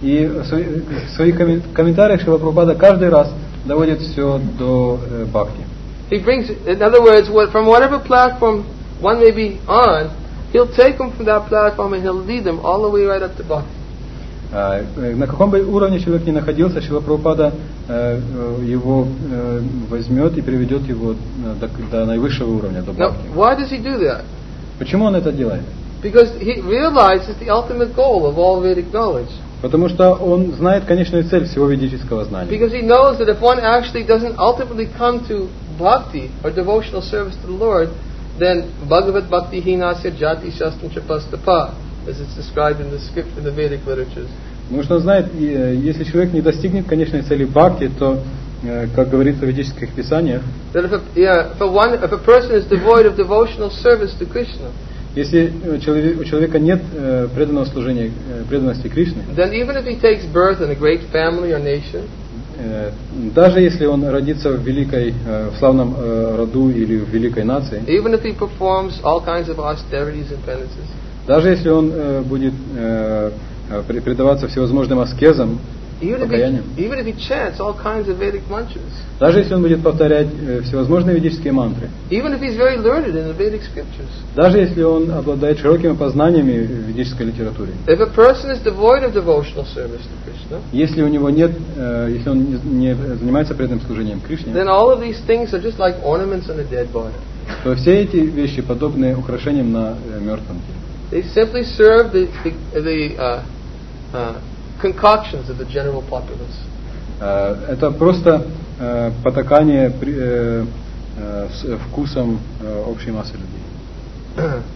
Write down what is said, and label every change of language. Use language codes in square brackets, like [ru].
[ru] И в своих комментариях Шрила Прабхупада каждый раз доводит все до бхакти. [en] He brings, in other words, from whatever platform one may be on, he'll take them from that platform and he'll lead them all the way right up to bhakti. [ru] На каком бы уровне человек ни находился, Шрила Прабхупада его возьмет и приведет его до наивысшего уровня, до бхакти. [en] Now, why does he do that? [ru] Почему он это делает? [en] Because he realizes the ultimate goal of all Vedic knowledge. [ru] Потому что он знает конечную цель всего ведического знания. [en] Because he knows that if one actually doesn't ultimately come to bhakti or devotional service to the Lord, then [sa] Bhagavat Bhakti Hinasya Jati Shastam Chapastapa, [en] as it's described in the script in the Vedic literatures. [ru] Потому что он знает, если человек не достигнет конечной цели бхакти, то как говорится в ведических писаниях, [en] that if a person is devoid of devotional service to Krishna, [ru] если у человека нет преданного служения, преданности Кришне, [en] then even if he takes birth in a great family or nation, [ru] даже если он родится в великой, в славном роду или в великой нации, [en] even if he performs all kinds of austerities and penances, [ru] даже если он будет предаваться всевозможным аскезам, [en] even if he chants all kinds of Vedic mantras, [ru] даже если он будет повторять всевозможные ведические мантры, [en] even if he's very learned in the Vedic scriptures, [ru] даже если он обладает широкими познаниями в ведической литературе, [en] if a person is devoid of devotional service to Krishna, [ru] если у него нет, если он не занимается преданным служением Кришне, [en] then all of these things are just like ornaments on a dead body. [ru] То все эти вещи подобны украшениям на мертвом теле. [en] They simply serve the concoctions of the general populace. [ru] Это просто потакание с вкусом общей массы людей.